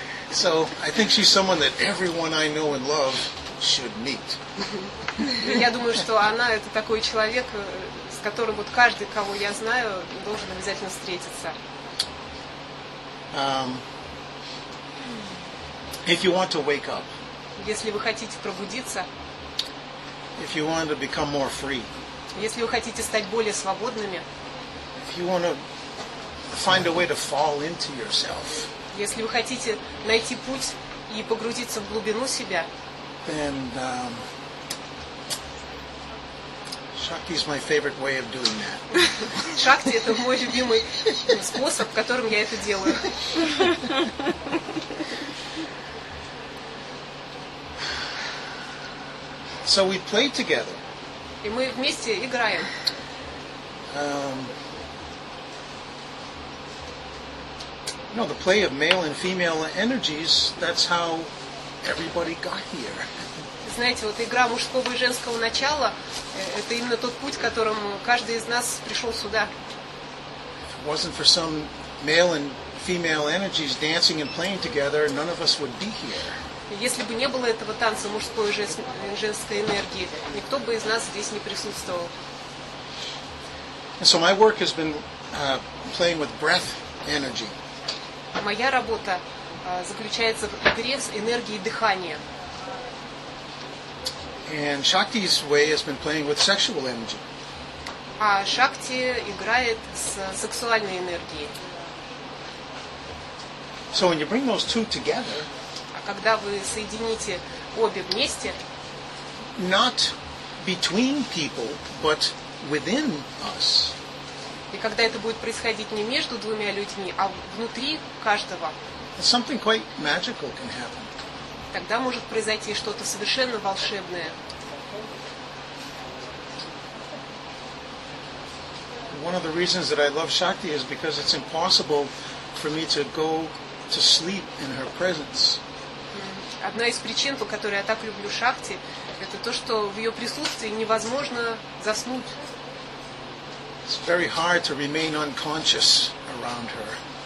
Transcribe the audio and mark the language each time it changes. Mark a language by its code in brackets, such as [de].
[en] So I think she's someone that everyone I know and love should meet. [ru] Я думаю, что она — это такой человек, с которым вот каждый, кого я знаю, должен обязательно встретиться. [en] If you want to wake up, [ru] если вы хотите пробудиться, [en] if you want to become more free, [ru] если вы хотите стать более свободными, [en] if you want to find a way to fall into yourself, [ru] если вы хотите найти путь и погрузиться в глубину себя, [en] then Shakti is my favorite way of doing that. [ru] Shakti — это мой любимый способ, которым я это делаю. [en] So we play together. [ru] И мы вместе играем. [en] You know, the play of male and female energies, that's how everybody got here. [ru] Знаете, вот игра мужского и женского начала — это именно тот путь, которым каждый из нас пришел сюда. [en] If it wasn't for some male and female energies dancing and playing together, none of us would be here. [ru] Если бы не было этого танца мужской и женской энергии, никто бы из нас здесь не присутствовал. [en] And so my work has been playing with breath energy. [ru] Моя работа заключается в игре с энергией дыхания. [en] And Shakti's way has been playing with sexual energy. [ru] А Шакти играет с сексуальной энергией. [en] So when you bring those two together, [ru] а когда вы соедините обе вместе, [en] not between people, but within us. [ru] И когда это будет происходить не между двумя людьми, а внутри каждого, [en] something quite magical can happen. [ru] Тогда может произойти что-то совершенно волшебное. [en] One of the reasons that I love Shakti is because it's impossible for me to go to sleep in her presence. [ru] Одна из причин, по которой я так люблю Шакти, это то, что в ее присутствии невозможно заснуть. [en] It's very hard to remain unconscious around her.